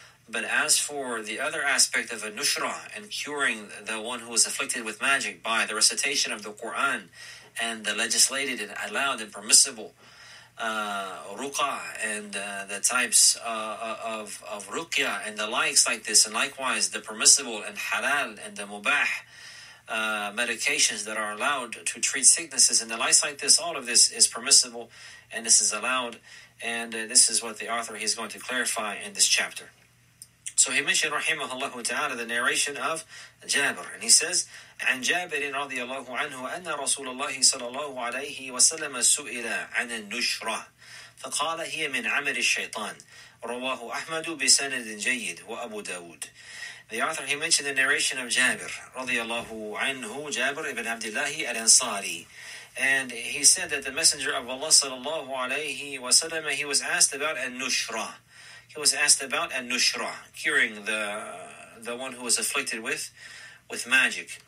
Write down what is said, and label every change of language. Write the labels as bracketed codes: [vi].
[en] But as for the other aspect of a nushra and curing the one who is afflicted with magic by the recitation of the Quran and the legislated and allowed and permissible ruqa and the types of ruqya and the likes like this, and likewise the permissible and halal and the mubah medications that are allowed to treat sicknesses and the likes like this, all of this is permissible and this is allowed, and this is what the author is going to clarify in this chapter. So he mentioned, rahimahullah ta'ala, the narration of Jabir, and he says, [ar] عن جابر رضي الله عنه أن رسول الله صلى الله عليه وسلم سئل عن النشرة فقال هي من عمل الشيطان رواه أحمد بسند جيد وأبو داود. [en] The author, he mentioned the narration of Jabir [ar] رضي الله عنه, [en] Jabir ibn Abdullah al-Ansari, and he said that the messenger of Allah [ar] صلى الله عليه وسلم, [en] he was asked about النشرة, he was asked about النشرة, curing the one who was afflicted with magic.